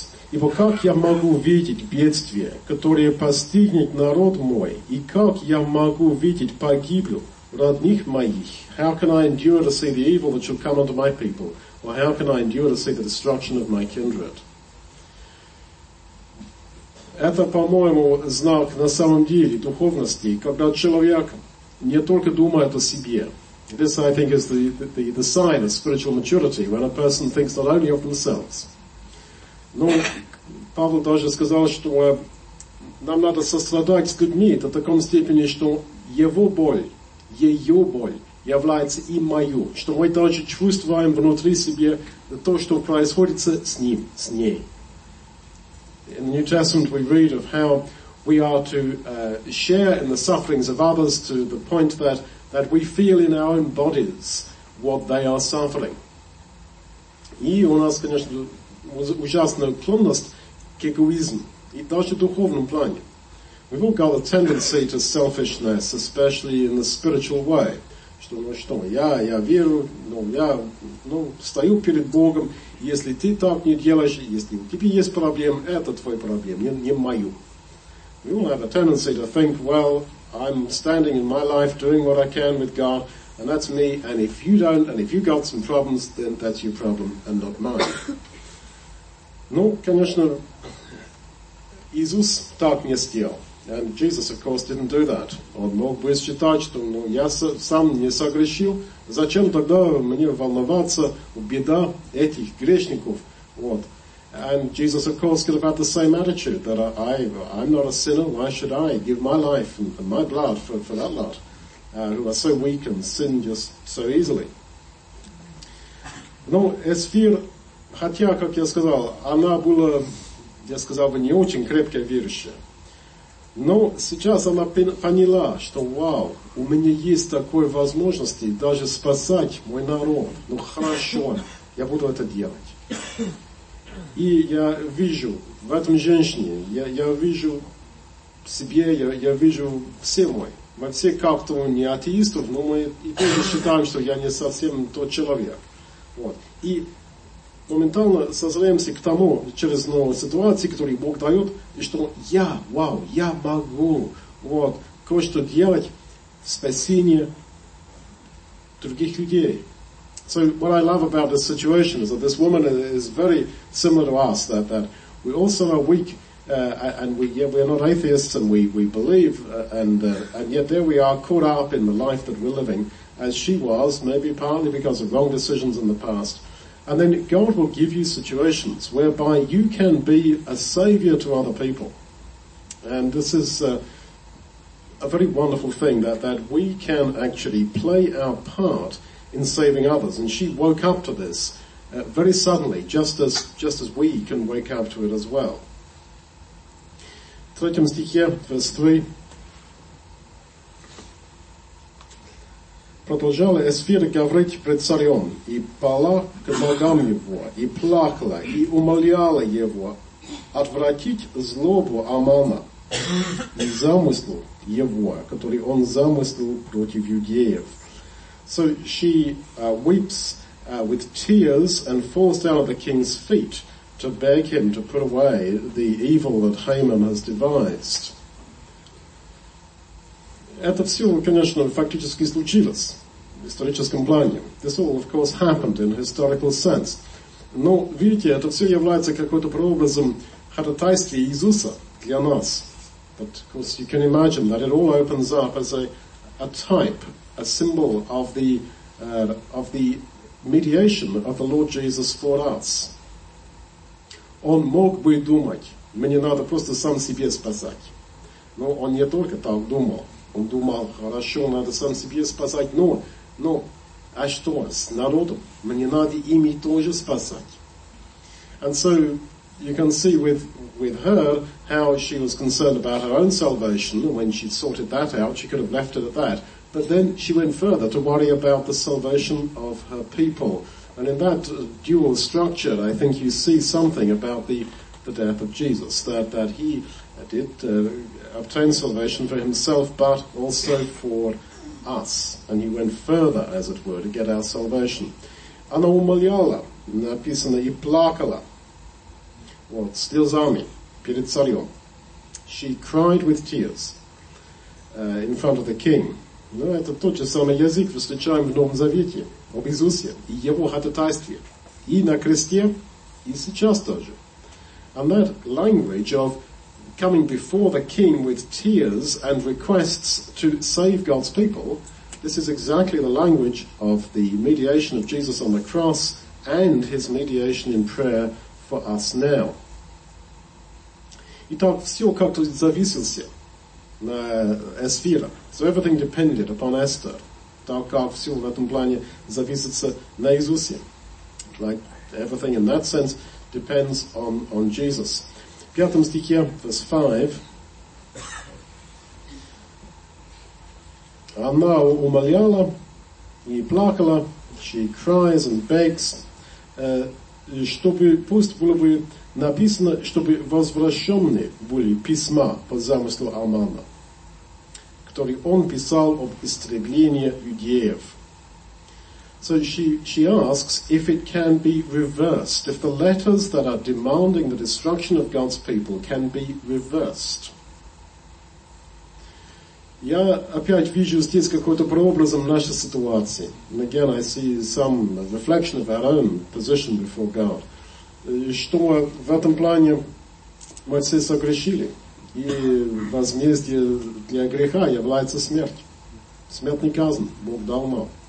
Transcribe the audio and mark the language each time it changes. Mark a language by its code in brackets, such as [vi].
[ru] Ибо как я могу видеть бедствие, которое постигнет народ мой, и как я могу видеть погибель родных моих? [en] How can I endure to see the evil that shall come unto my people? Or how can I endure to see the destruction of my kindred? [ru] Это, по-моему, знак на самом деле духовности, когда человек не только думает о себе. [en] This, I think, is the sign of spiritual maturity, when a person thinks not only of themselves. [ru] Но Павел даже сказал, что нам надо сострадать с людьми до такой степени, что его боль, ее боль является и мою. Что мы даже чувствуем внутри себя то, что происходит с ним, с ней. [en] In the New Testament, we read of how we are to share in the sufferings of others to the point that we feel in our own bodies what they are suffering. [ru] И у нас, конечно, ужасная склонность к эгоизму, и даже в духовном плане. [en] We've all got a tendency to selfishness, especially in the spiritual way. [ru] Что, я верю, я стою перед Богом. Если ты так не делаешь, если у тебя есть проблемы, это твой проблем, не мою. [en] We all have a tendency to think, well, I'm standing in my life doing what I can with God, and that's me, and if you don't, and if you got some problems, then that's your problem and not mine. [ru] конечно, Иисус так не сделал. [en] And Jesus, of course, didn't do that. [ru] Он мог бы считать, что я сам не согрешил. Зачем тогда мне волноваться о беда этих грешников? [en] And Jesus, of course, could have had the same attitude, that I'm not a sinner, why should I give my life and my blood for that lot, who are so weak and sin just so easily? [ru] Эсфир, хотя, как я сказал, она была, я сказал бы, не очень крепкая верующая. Но сейчас она поняла, что вау, у меня есть такой возможности даже спасать мой народ. Хорошо, я буду это делать. И я вижу в этом женщине, я вижу себе, я вижу все мои. Вообще как-то не атеистов, но мы и тоже считаем, что я не совсем тот человек. Вот. И моментально созреемся к тому, через новую ситуацию, которую Бог дает, и что я, вау, я могу вот, кое-что делать в спасении других людей. [en] So what I love about this situation is that this woman is very similar to us, that we also are weak, and we are not atheists, and we believe, and yet there we are caught up in the life that we're living, as she was, maybe partly because of wrong decisions in the past. And then God will give you situations whereby you can be a savior to other people. And this is a very wonderful thing, that we can actually play our part in saving others. And she woke up to this very suddenly, just as we can wake up to it as well. [ru] Третьем стихе, [en] verse 3. [ru] Продолжала Эсфир говорить пред царем, и пала к ногам его, и плакала, и умоляла его отвратить злобу Амана и замыслу его, который он замыслил против иудеев. [en] So she weeps with tears and falls down at the king's feet to beg him to put away the evil that Haman has devised. [ru] Это все, конечно, фактически случилось в историческом плане. [en] This all, of course, happened in a historical sense. [ru] Но, видите, это все является какой-то прообразом ходатайства Иисуса для нас. [en] But, of course, you can imagine that it all opens up as a type, a symbol of the mediation of the Lord Jesus for us. [ru] Он мог бы думать, мне надо просто сам себе спасать. Но он не только так думал. Он думал, хорошо, надо сам себе спасать, но, а что с народом? Мне надо ими тоже спасать. [en] And so you can see with her how she was concerned about her own salvation. When she sorted that out, she could have left it at that. But then she went further to worry about the salvation of her people. And in that dual structure, I think you see something about the death of Jesus, that he did obtain salvation for himself, but also for us. And he went further, as it were, to get our salvation. [ru] Она умоляла, написано, и плакала. Вот, слезами, перед царем. [en] She cried with tears in front of the king. [ru] Ну, это тот же самый язык, встречаем в Новом Завете, об Иисусе и его ходатайстве. И на кресте, и сейчас тоже. [en] And that language of coming before the king with tears and requests to save God's people, this is exactly the language of the mediation of Jesus on the cross and his mediation in prayer for us now. [ru] Итак, все как-то зависелся на Эсфира. [en] So everything depended upon Esther. [ru] Так как все в этом плане зависится на Иисусе. [en] Like everything in that sense depends on Jesus. [ru] В пятом стихе, [en] verse 5, [ru] она умоляла и плакала, [en] she cries and begs, [ru] чтобы пусть было бы написано, чтобы возвращены были письма по замыслу Амана, который он писал об истреблении иудеев. [en] So she asks if it can be reversed, if the letters that are demanding the destruction of God's people can be reversed. [ru] Я опять вижу здесь какой-то прообразом нашей ситуации. [en] And again, I see some reflection of our own position before God. [ru] Что в этом плане мы все согрешили, и возмездие для греха является смерть. Смертный казнь, Бог дал нам.